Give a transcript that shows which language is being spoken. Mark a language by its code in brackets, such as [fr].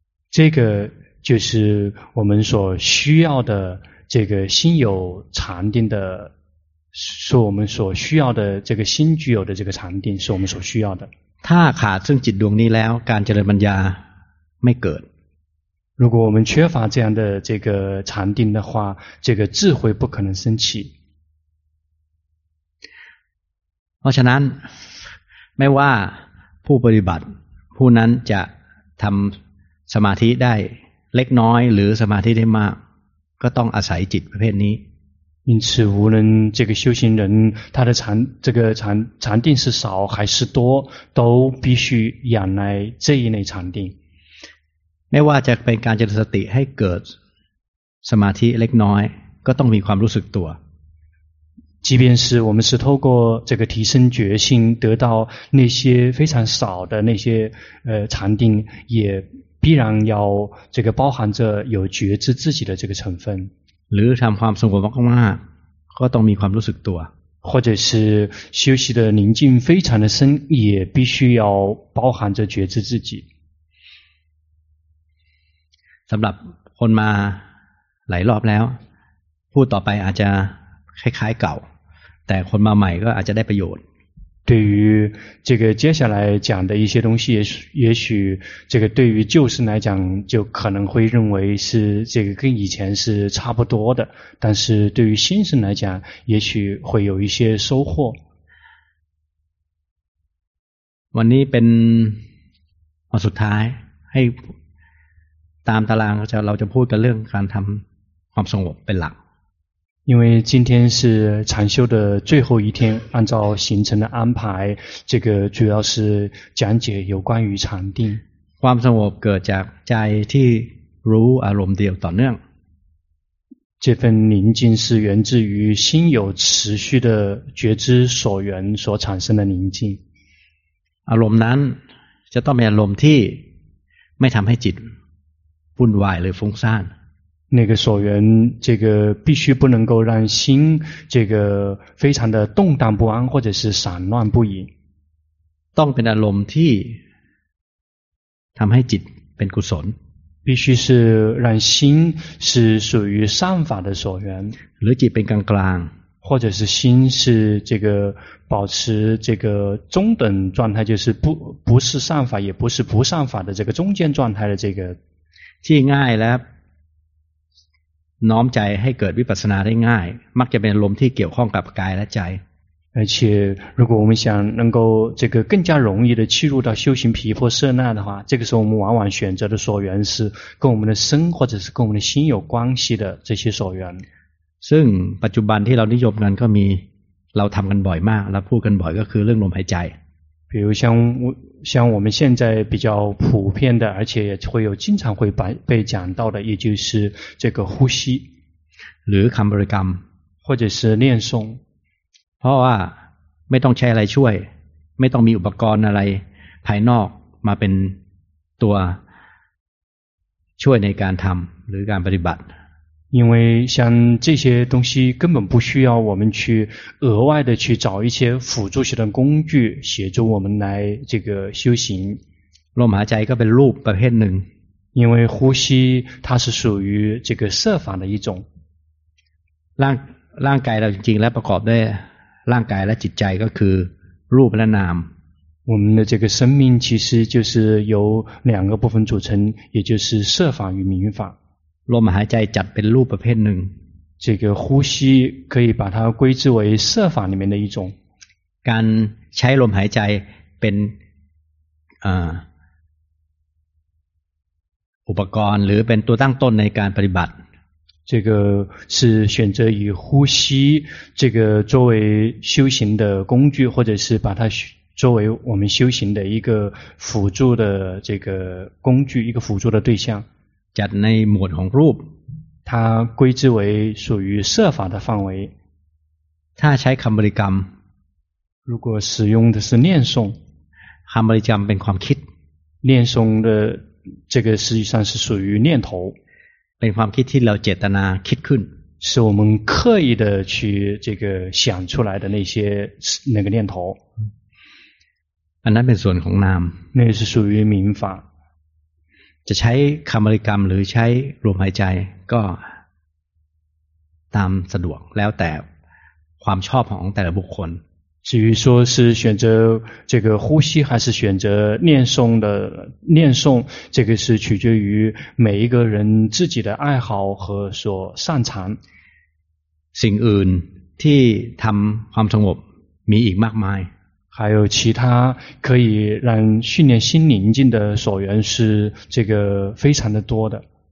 [zh] 这个就是我们所需要的这个心有禅定的是我们所需要的这个心具有的这个禅定是我们所需要的 [th] ถ้าขาดซึ่งจิตดวงนี้แล้วการเจริญปัญญาไม่เกิด [zh] 如果我们缺乏这样的这个禅定的话这个智慧不可能升起 [th] เพราะฉะนั้นไม่ว่าผู้ปฏิบัติผู้นั้นจะทำสมาธิได้เล็กน้อยหรือสมาธิได้มากก็ต้องอาศัยจิตประเภทนี้ [zh] 因此无论这个修行人他的禅这个禅禅定是少还是多都必须仰赖这一类禅定 [th] ไม่ว่าจะเป็นการเจริญสติให้เกิดสมาธิเล็กน้อยก็ต้องมีความรู้สึกตัว [zh] 即便是我们是透过这个提升觉性得到那些非常少的那些禅定也必然要这个包含着有觉知自己的这个成分 [th] หรือทำความสงบมากๆก็ต้องมีความรู้สึกตัว [zh] 或者是休息的宁静非常的深也必须要包含着觉知自己 [th] สำหรับคนมาหลายรอบแล้วพูดต่อไปอาจจะคล้ายๆเก่าแต่คนมาใหม่ก็อาจจะได้ประโยชน์ [zh] 对于这个接下来讲的一些东西也许这个对于旧生来讲就可能会认为是这个跟以前是差不多的但是对于新生来讲也许会有一些收获 [th] วันนี้เป็นวันสุดท้ายให้ตามตารางเราจะพูดกันเรื่องการทำความสงบเป็นหลัก [zh] 因为今天是禅修的最后一天按照行程的安排这个主要是讲解有关于禅定 [th] ความสงบเกิดจากใจที่รู้อารมณ์เดียวต่อเนื่อง [zh] 这份宁静是源自于心有持续的觉知所缘所产生的宁静 [th] อารมณ์นั้นจะต้องมีอารมณ์ที่ไม่ทำให้จิตวุ่นวายหรือฟุ้งซ่าน นั่นก็ [zh] 所缘这个必须不能够让心这个非常的动荡不安或者是散乱不已 [th] ต้องเป็นอารมณ์ที่ทำให้จิตเป็นกุศล [zh] 必须是让心是属于善法的所缘 [th] หรือจิตเป็นกลางกลาง [zh] 或者是心是这个保持这个中等状态就是不是善法也不是不善法的这个中间状态的这个 [th] ที่ง่ายแล้วน้อมใจให้เกิดวิปัสสนาได้ง่ายมักจะเป็นลมที่เกี่ยวข้องกับกายและใจ [zh] 而且如果我们想能够这个更加容易的切入到修行毗婆舍那的话这个时候我们往往选择的所缘是跟我们的身或者是跟我们的心有关系的这些所缘 [th] ซึ่งปัจจุบันที่เรานิยมกันก็มีเราทำกันบ่อยมากเราพูดกันบ่อยก็คือเรื่องลมหายใจ [zh] 比如像我们现在比较普遍的而且也会有经常会被讲到的也就是这个呼吸 [th] หรือคำบริกรรม [zh] 或者是念诵 [th] เพราะว่าไม่ต้องใช้อะไรช่วยไม่ต้องมีอุปกรณ์อะไรภายนอกมาเป็นตัวช่วยในการทำหรือการปฏิบัติ [zh] 因为像这些东西根本不需要我们去额外的去找一些辅助性的工具协助我们来这个修行 [th] ลมหายใจก็เป็นรูปประเภทหนึ่ง [zh] 因为呼吸它是属于这个色法的一种 [th] ร่างกายเราจริงๆแล้วประกอบด้วยร่างกายและจิตใจก็คือรูปและนาม [zh] 我们的这个生命其实就是由两个部分组成也就是色法与名法 [th] ลมหายใจจัดเป็นรูปประเภทหนึ่ง [zh] 这个呼吸可以把它归之为色法里面的一种 [th] การใช้ลมหายใจเป็นอุปกรณ์หรือเป็นตัวตั้งต้นในการปฏิบัติ [zh] 这个是选择以呼吸这个作为修行的工具或者是把它作为我们修行的一个辅助的这个工具一个辅助的对象 [th] จัดในหมวดของรูป [zh] 它归之为属于色法的范围 [th] ถ้าใช้คำบริกรรม [zh] 如果使用的是念诵 [th] คำบริกรรมเป็นความคิด [zh] 念诵的这个实际上是属于念头 [th] เป็นความคิดที่เราเจตนาคิดขึ้น [zh] 是我们刻意的去这个想出来的那些那个念头 [th] อันนั้นเป็นส่วนของนาม [zh] 那是属于名法 [th] จะใช้คำบริกรรมหรือใช้ลมหายใจก็ตามสะดวกแล้วแต่ความชอบของแต่ละบุคคล [zh] 至于说是选择这个呼吸还是选择念诵的念诵这个是取决于每一个人自己的爱好和所擅长 [th] สิ่งอื่นที่ทำความสงบมีอีกมากมาย [zh] 还有其他可以让训练心宁静的所缘是这个非常的多的